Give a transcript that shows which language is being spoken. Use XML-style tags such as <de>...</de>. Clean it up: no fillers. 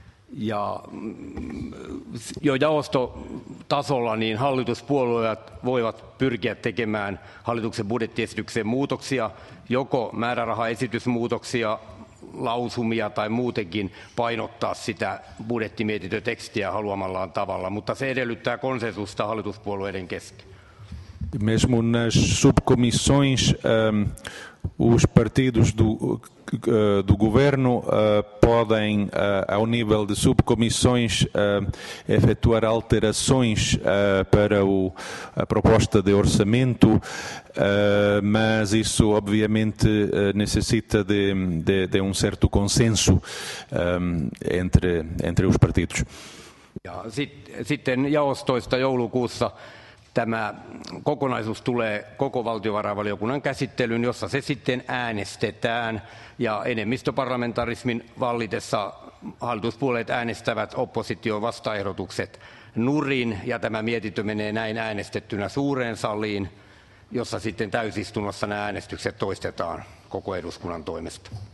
<fi>Ja jo jaostotasolla niin hallituspuolueet voivat pyrkiä tekemään hallituksen budjettiesitykseen muutoksia, joko määrärahaesitysmuutoksia, lausumia tai muutenkin painottaa sitä budjettimietintötekstiä haluamallaan tavalla, mutta se edellyttää konsensusta hallituspuolueiden kesken.</fi> <pt>Mesmo nas subcomissões, os partidos do governo podem, ao nível de subcomissões, efetuar alterações para a proposta de orçamento, mas isso obviamente necessita de um certo consenso entre os partidos.</pt> <fi>Ja, sitten jaostoista joulukuussa. Tämä kokonaisuus tulee koko valtiovarainvaliokunnan käsittelyyn, jossa se sitten äänestetään, ja enemmistöparlamentarismin vallitessa hallituspuolueet äänestävät opposition vastaehdotukset nurin, ja tämä mietintö menee näin äänestettynä suureen saliin, jossa sitten täysistunnossa nämä äänestykset toistetaan koko eduskunnan toimesta.</fi>